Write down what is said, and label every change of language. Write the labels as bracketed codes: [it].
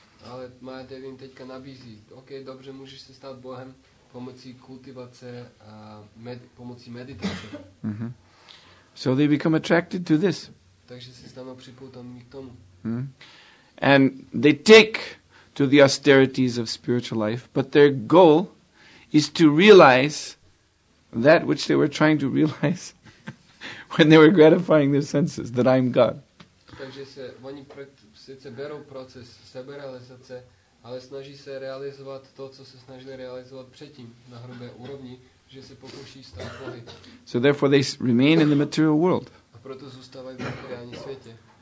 [cs] Ale Maya Devi teďka nabízí, okay, dobře, můžeš se stát Bohem pomocí kultivace a pomocí meditace. [en] So they become attracted to this. [cs] Takže se stanou připoutaní k tomu. [en] And they take to the austerities of spiritual life, but their goal is to realize that which they were trying to realize when they were gratifying their senses, that I'm God. [cs] Takže se oni sice berou proces seberealizace, ale snaží se realizovat to, co se snažili realizovat předtím na hrubé úrovni, že se pokouší stát Bohy. [en] So therefore they remain in the material world. [cs] A proto zůstávají v materiálním světě.